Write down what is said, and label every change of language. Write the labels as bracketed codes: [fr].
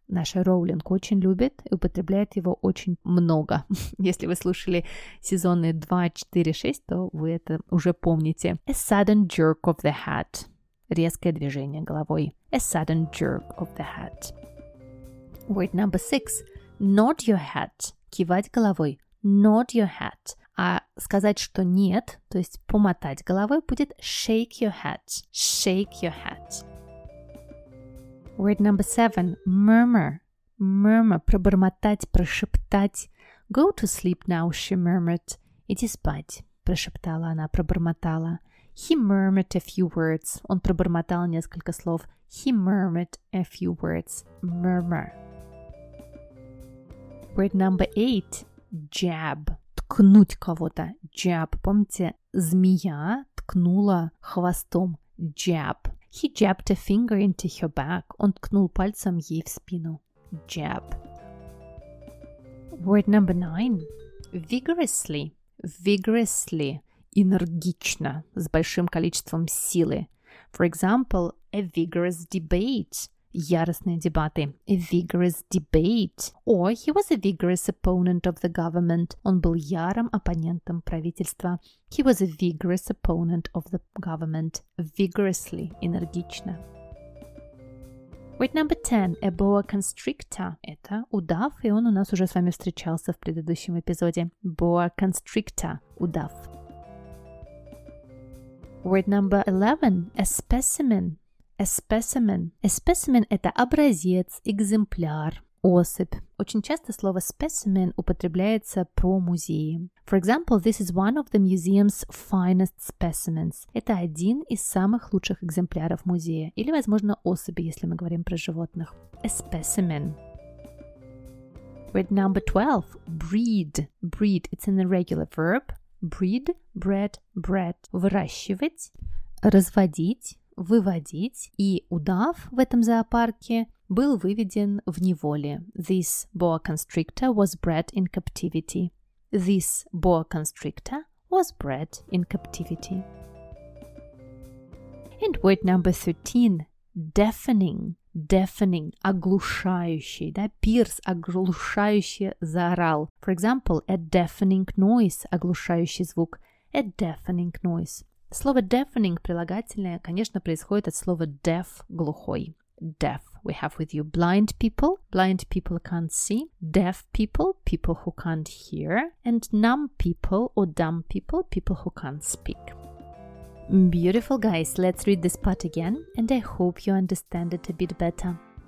[ru] Наша Роулинг очень любит и употребляет его очень много. Если вы слушали сезоны 2, 4, 6, то вы это уже помните. [en] A sudden jerk of the head. [ru] Резкое движение головой. [en] A sudden jerk of the head. Word number six. Nod your head. [ru] Кивать головой. [en] Nod your head. [ru] А сказать, что нет, то есть помотать головой, будет [en] shake your head. Shake your head. Word number seven. Murmur. Murmur. [ru] Пробормотать, прошептать. [en] Go to sleep now, she murmured. [ru] Иди спать, прошептала она, пробормотала. [en] He murmured a few words. [ru] Он пробормотал несколько слов. [en] He murmured a few words. Murmur. Word number 8. Jab. [ru] Ткнуть кого-то. [en] Jab. [ru] Помните, змея ткнула хвостом. [en] Jab. He jabbed a finger into her back. [ru] Он ткнул пальцем ей в спину. [en] Jab. Word number 9. Vigorously. Vigorously. [ru] Энергично, с большим количеством силы. [en] For example, a vigorous debate. [ru] Яростные дебаты. [en] A vigorous debate. Or he was a vigorous opponent of the government. [ru] Он был ярым оппонентом правительства. [en] He was a vigorous opponent of the government. Vigorously. [ru] Энергично. [en] Word number 10. A boa constrictor. [ru] Это удав, и он у нас уже с вами встречался в предыдущем эпизоде. [en] Boa constrictor. [ru] Удав. [en] Word number 11. A specimen. A specimen. [ru] A specimen – это образец, экземпляр, особь. Очень часто слово specimen употребляется про музеи. [en] For example, this is one of the museum's finest specimens. [ru] Это один из самых лучших экземпляров музея. Или, возможно, особи, если мы говорим про животных. [en] A specimen. Word number 12. Breed. Breed – it's an irregular verb. Breed, bred, bred. [ru] Выращивать, разводить, выводить. И удав в этом зоопарке был выведен в неволе. [en] This boa constrictor was bred in captivity. This boa constrictor was bred in captivity. And word number 13. Deafening. Deafening. [ru] Оглушающий. Да? Пирс. Оглушающе заорал. [en] For example, a deafening noise. [ru] Оглушающий звук. [en] A deafening noise. [ru] Слово deafening, прилагательное, конечно, происходит от слова deaf, глухой. [en] Deaf. We have with you blind people. Blind people can't see. Deaf people. People who can't hear. And numb people or dumb people. People who can't speak. Beautiful guys, let's read this part again, and I hope you understand it a bit better.